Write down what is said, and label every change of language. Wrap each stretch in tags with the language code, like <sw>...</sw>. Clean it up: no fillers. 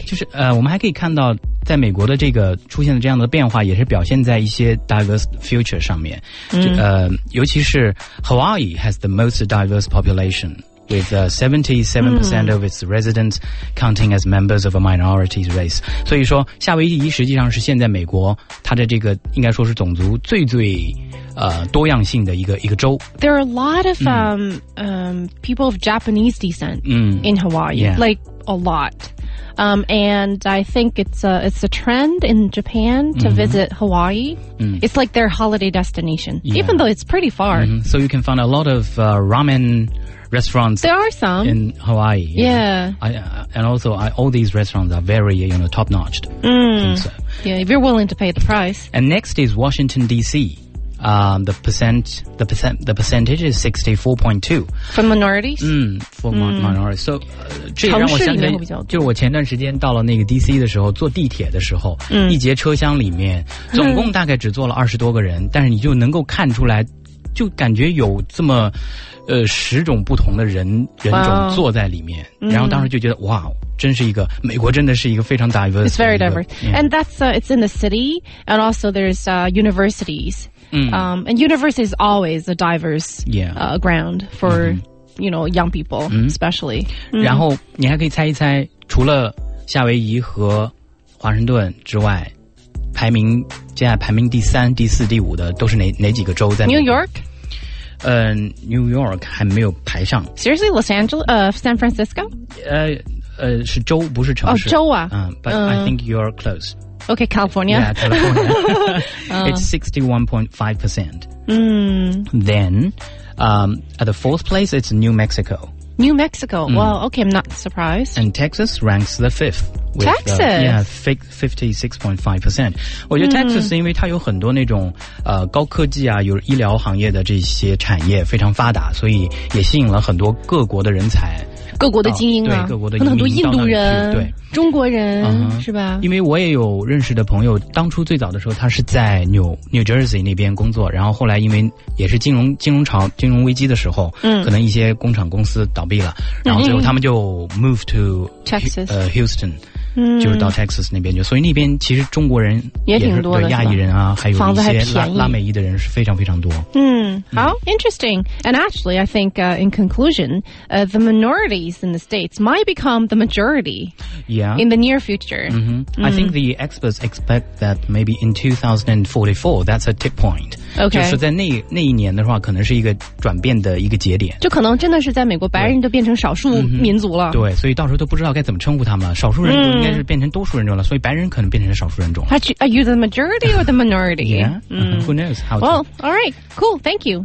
<zh>就是我们还可以看到在美国的这个出现的这样的变化也是表现在一些</zh> <en>diverse future</en> <zh>上面尤其是</zh> <en>Hawaii has the most diverse population with 77% of its residents counting as members of a minority race</en> <zh>所以说夏威夷实际上是现在美国它的这个应该说是种族最多样性的一个州</zh> <en>There are a lot of people of Japanese descent in Hawaii like a lotand I think it's a trend in Japan to visit Hawaii. It's like their holiday destination, even though it's pretty far. So you can find a lot of ramen restaurants. There are some. In Hawaii. Yeah. And also, all these restaurants are very, you know, top-notched. Yeah, if you're willing to pay the price. And next is Washington, D.C. The percentage is 64.2 for minorities. For minorities.</en> <zh>So, 这让我想起，就是我前段时间到了那个 DC 的时候，坐地铁的时候，一节车厢里面总共大概只坐了20多个人，但是你就能够看出来，就感觉有这么10种不同的人种坐在里面，然后当时就觉得哇。真是一个美国真的是一个非常 diverse</zh> <en>It's very diverse And that's it's in the city And also there's universities And university is always a diverse ground For you know young people especially</en> <zh>然后你还可以猜一猜除了夏威夷和华盛顿之外排名接下来排名第三第四第五的都是哪几个州在美国</zh> <en>New York</en> <zh>New York 还没有排上</zh> <en>Seriously Los Angeles San Francisco</en> <zh>是州不是城市哦州啊</zh> <en>But I think you're close Okay, California Yeah, California It's 61.5% Then at the fourth place it's New Mexico New Mexico.、Mm. Well, okay, I'm not surprised. And Texas ranks the fifth. With, Texas? Yeah, 56.5%.</en> <zh>我觉得 Texas 因为它有很多那种、高科技啊，有医疗行业的这些产业非常发达，所以也吸引了很多各国的人才。各国的精英啊，对，各国的移民到那里去，很多印度人，对，中国人、是吧？因为我也有认识的朋友，当初最早的时候，他是在New Jersey 那边工作，然后后来因为也是金融潮、金融危机的时候，可能一些工厂公司倒闭了，然后最后他们就</zh> <en>move to Texas, Houston。</en> <zh>就是到 Texas 那边去，所以那边其实中国人也挺多的，对，亚裔人啊，还有一些拉美裔的人是非常非常多。嗯，好，</zh> <en>interesting. And actually, I think、in conclusion,、the minorities in the States might become the majority、 yeah. in the near future.、 Mm-hmm. Mm. I think the experts expect that maybe in 2044, that's a tip point. Okay.</en> <zh>就是在那一年的话，可能是一个转变的一个节点。就可能真的是在美国白人都变成少数民族了。对,、mm-hmm. 对，所以到时候都不知道该怎么称呼他们了，少数人、应该是变成多数人种了，所以白人可能变成少数人种了。</zh> <en>Are you the majority or the minority? Yeah, who knows? Well, all right, cool, thank you.</en>